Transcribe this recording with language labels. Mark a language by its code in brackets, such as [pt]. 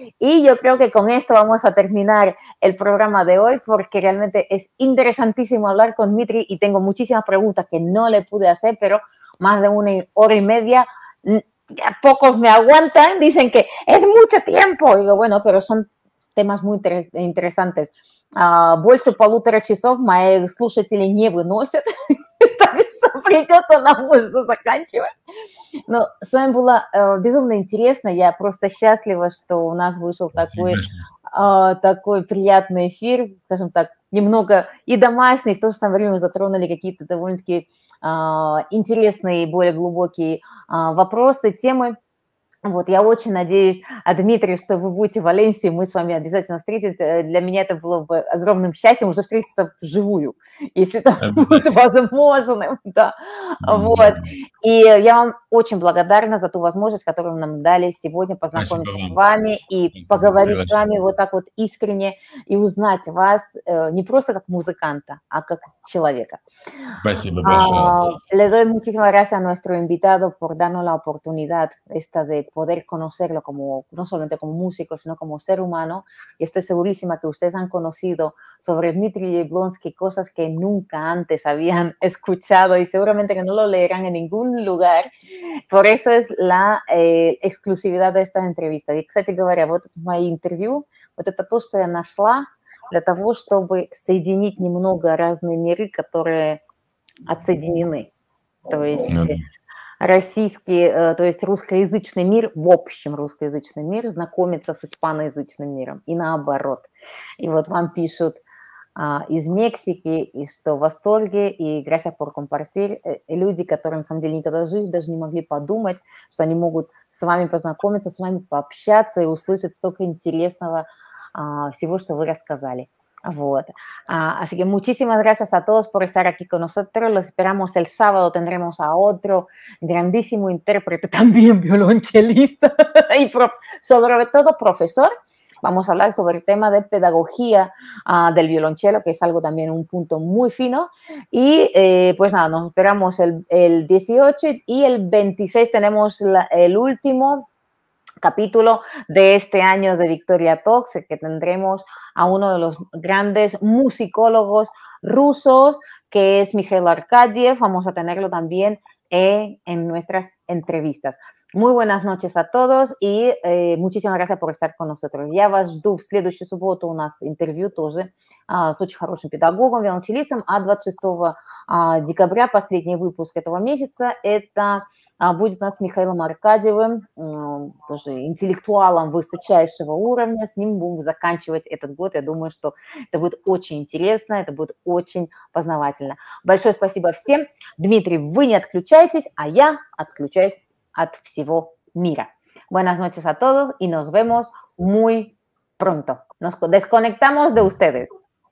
[es] Y yo creo que con esto vamos a terminar el programa de hoy porque realmente es interesantísimo hablar con Dmitri y tengo muchísimas preguntas que no le pude hacer, pero más de una hora y media, ya pocos me aguantan, dicen que es mucho tiempo. Y digo, bueno, pero son temas muy interesantes. [ru] Больше полутора часов мои слушатели не выносят. Так что придется нам уже заканчивать. Но с вами было безумно интересно. Я просто счастлива, что у нас вышел такой приятный эфир, скажем так, немного и домашний, в то же самое время затронули какие-то довольно-таки интересные и более глубокие вопросы, темы. Вот, я очень надеюсь, Дмитрий, что вы будете в Валенсии, мы с вами обязательно встретимся. Для меня это было бы огромным счастьем уже встретиться вживую, если это будет возможным. Да. Вот. И я вам очень благодарна за ту возможность, которую нам дали сегодня познакомиться с вами и поговорить с вами вот так вот искренне и узнать вас не просто как музыканта, а как человека. Спасибо большое. [es] Le doy muchísimas gracias a nuestro invitado por darnos la oportunidad esta de poder conocerlo como, no solamente como músico, sino como ser humano. Y estoy segurísima que ustedes han conocido sobre Dmitri Jablonski cosas que nunca antes habían escuchado y seguramente que no lo leerán en ningún lugar. Por eso es la exclusividad de esta entrevista. [ru] Y, кстати говоря, вот моя интервью, вот это то, что я нашла для того, чтобы соединить немного разные миры, которые отсоединены. То есть российский, то есть русскоязычный мир, в общем русскоязычный мир, знакомится с испаноязычным миром и наоборот. И вот вам пишут из Мексики, и что в восторге, и [es] gracias por compartir. [ru] Люди, которые на самом деле никогда в жизни даже не могли подумать, что они могут с вами познакомиться, с вами пообщаться и услышать столько интересного всего, что вы рассказали. Вот. [es] Así que muchísimas gracias a todos por estar aquí con nosotros. Los esperamos el sábado. Tendremos a otro grandísimo intérprete, también violonchelista y sobre todo profesor. Vamos a hablar sobre el tema de pedagogía del violonchelo, que es algo también un punto muy fino. Y pues nada, nos esperamos el 18 y el 26 tenemos el último capítulo de este año de Victoria Talks, que tendremos a uno de los grandes musicólogos rusos, que es Mikhail Arkadyev. Vamos a tenerlo también en nuestras entrevistas. Muy buenas noches a todos y muchísimas gracias por estar con nosotros. [ru] Я вас жду в следующую субботу, у нас интервью тоже с очень хорошим педагогом, виолончелистом, а 26 декабря, последний выпуск этого месяца, это будет у нас с Михаилом Аркадьевым, тоже интеллектуалом высочайшего уровня, с ним будем заканчивать этот год. Я думаю, что это будет очень интересно, это будет очень познавательно. Большое спасибо всем. Дмитрий, вы не отключайтесь, а я отключаюсь от всего мира. [es] Buenas noches a todos y nos vemos muy pronto. Nos desconectamos de ustedes.